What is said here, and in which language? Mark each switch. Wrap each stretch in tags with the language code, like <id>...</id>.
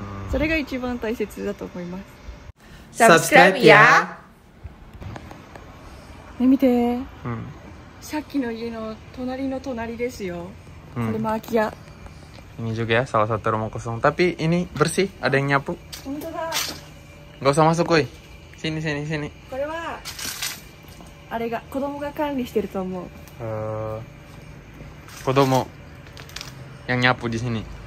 <ja>それが一番大切だと思います。サブスクライブやね。見て、うん、さっきの家の隣の隣ですよ、うん、これも空き家。</ja> <id>ini juga ya salah satu rumah kosong tapi ini bersih ada yang nyapu。</id> <ja>本当だ。</ja> <id>gak usah masuk koi sini sini sini。</id> <ja>これはあれが子供が管理してると思う。</ja> <id>子供yang nyapu di sini。</id>